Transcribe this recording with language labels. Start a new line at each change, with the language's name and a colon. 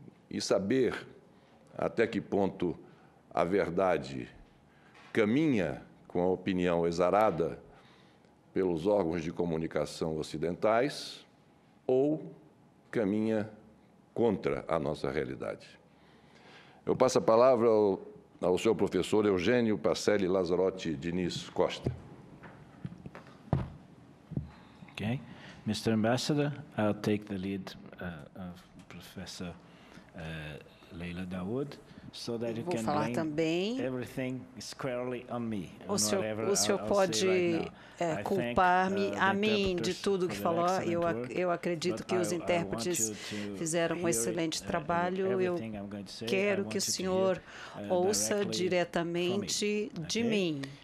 Portuguese: e saber até que ponto a verdade caminha com a opinião exarada pelos órgãos de comunicação ocidentais ou caminha contra a nossa realidade. Eu passo a palavra ao seu professor Eugênio Pacelli Lazzarotti Diniz Costa.
English: Okay. Mr. Ambassador, I'll take the lead of Professor Leila Dawood, so that you can blame
Portuguese: também.
English: Everything squarely on me.
Portuguese: O senhor pode culpar-me a mim de tudo o que falou. Eu acredito que os intérpretes fizeram um excelente trabalho. Eu quero que o senhor ouça diretamente de mim.